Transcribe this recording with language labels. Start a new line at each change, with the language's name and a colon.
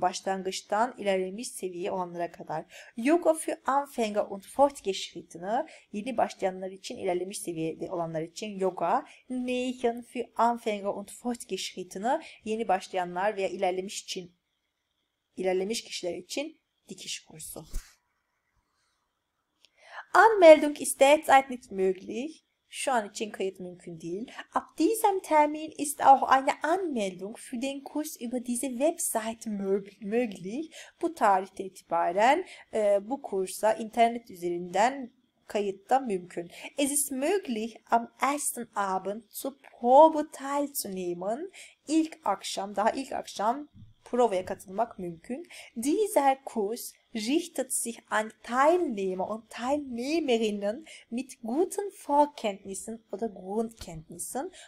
Turkish: Başlangıçtan ilerlemiş seviyeye olanlara kadar.
German: Yoga für Anfänger und Fortgeschrittene,
Turkish: yeni başlayanlar için, ilerlemiş seviyede olanlar için yoga.
German: Nähen für Anfänger und Fortgeschrittene,
Turkish: yeni başlayanlar veya ilerlemiş kişiler için dikiş kursu.
German: Anmeldung ist derzeit nicht möglich.
Turkish: Şu an için kayıt mümkün değil.
German: Ab diesem Termin ist auch eine Anmeldung für den Kurs über diese Website möglich.
Turkish: Bu tarihte itibaren bu kursa internet üzerinden kayıt da mümkün.
German: Es ist möglich, am ersten Abend zur Probe teilzunehmen.
Turkish: Daha ilk akşam provaya katılmak mümkün.
German: Dieser Kurs richtet sich an Teilnehmer und Teilnehmerinnen mit guten Vorkenntnissen oder Grundkenntnissen.